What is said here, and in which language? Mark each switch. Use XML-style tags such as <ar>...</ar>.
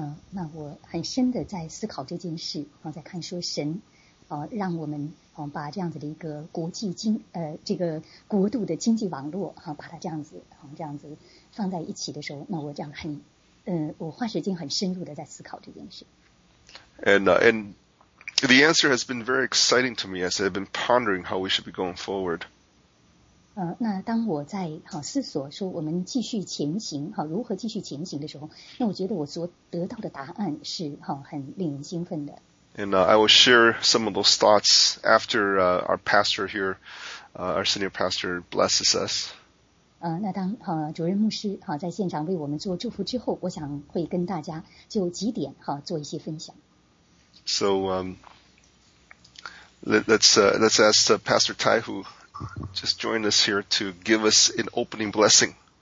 <zh>那我很深的在思考这件事，在看说神，让我们把这样子的一个国际经这个国度的经济网络把它这样子放在一起的时候，那我这样很我花时间很深入的在思考这件事。</zh> <en>And the answer has been very exciting to me as I've been pondering how we should be going forward.</en> <zh>那当我在思索说我们继续前行如何继续前行的时候，那我觉得我所得到的答案是很令人兴奋的。</zh> <en>And I will share some of those thoughts after our pastor here, our senior pastor blesses us.</en> <zh>那当主任牧师在现场为我们做祝福之后，我想会跟大家就几点做一些分享。</zh> <en>So let's ask Pastor Tai, who just joined us here, to give us an opening blessing.</en>